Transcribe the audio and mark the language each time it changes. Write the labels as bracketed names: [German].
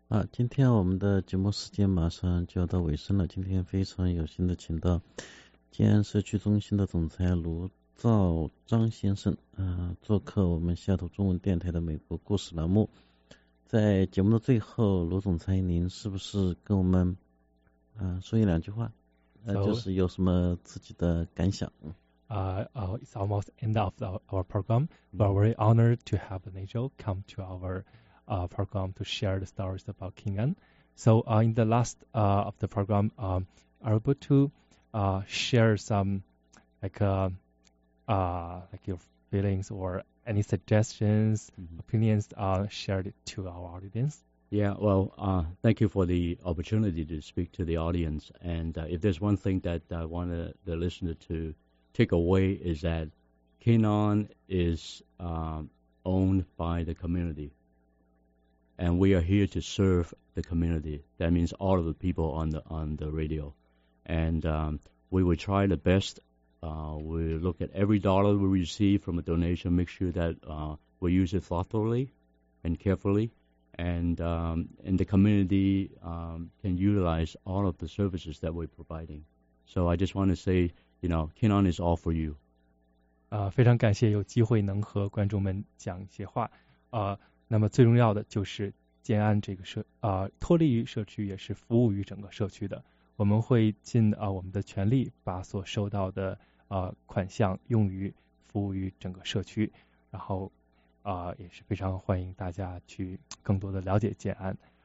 [Chinese] 今天我们的节目时间马上就要到尾声了。今天非常有幸的请到建安社区中心的总裁卢兆章先生做客我们西雅图中文电台的美国故事栏目。在节目的最后，卢总裁您是不是跟我们说一两句话？就是有什么自己的感想。 [English] It's almost end of our program. We are very honored to have Nigel come to our program to share the stories about King An. So in the last of the program, are able to share some like your feelings or any suggestions, opinions shared to our audience? Yeah, well, thank you for the opportunity to speak to the audience. And if there's one thing that I want the listener to take away is that King An is owned by the community. And we are here to serve the community. That means all of the people on the radio. And we will try the best. We look at every dollar we receive from a donation, make sure that we use it thoughtfully and carefully. And the community can utilize all of the services that we're providing. So I just want to say, you know, King An is all for you. [Chinese] 非常感谢有机会能和观众们讲一些话。那么最重要的就是建安这个社脱离于社区，也是服务于整个社区的。我们会尽我们的全力，把所收到的款项用于服务于整个社区，然后也是非常欢迎大家去更多的了解建安。